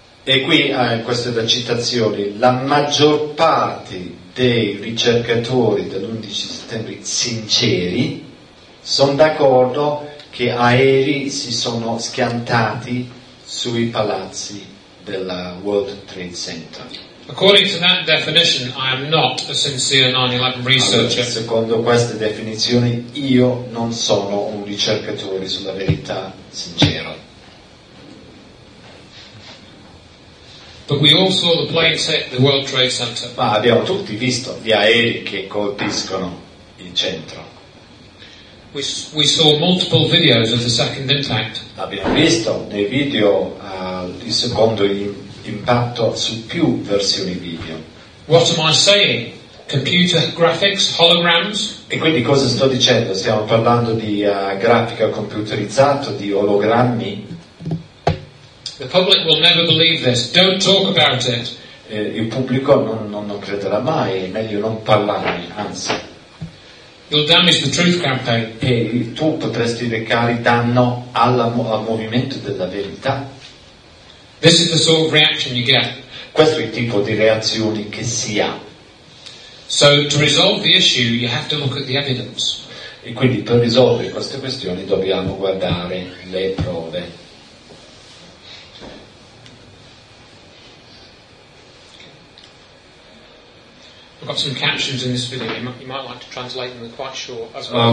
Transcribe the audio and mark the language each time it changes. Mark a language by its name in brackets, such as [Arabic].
[Italian] E qui questa è la citazione. La maggior parte dei ricercatori dell'11 settembre sinceri sono d'accordo che aerei si sono schiantati sui palazzi della World Trade Center. [English] According to that definition, I am not a sincere 9/11 researcher. [Italian] Allora, secondo questa definizione, io non sono un ricercatore sulla verità sincero. [English] But we all saw the planes hit the World Trade Center. [Italian] Ma abbiamo tutti visto gli aerei che colpiscono il centro. [English] We saw multiple videos of the second impact. [Italian] Abbiamo visto nei video il secondo impatto su più versioni video. [English] What am I saying? Computer graphics, holograms? [Italian] E quindi cosa sto dicendo? Stiamo parlando di grafica computerizzata, di ologrammi? [English] The public will never believe this. Don't talk about it. [Italian] Il pubblico non crederà mai, è meglio non parlarne, anzi. [English] You'll damage the truth campaign. [Italian] E tu potresti recare danno al movimento della verità. [English] This is the sort of reaction you get. [Italian] Questo è il tipo di reazioni che si ha. [English] So to resolve the issue, you have to look at the evidence. [Italian] E quindi per risolvere queste questioni dobbiamo guardare le prove. [English] I've got some captions in this video. You might like to translate them. They're quite short. As well.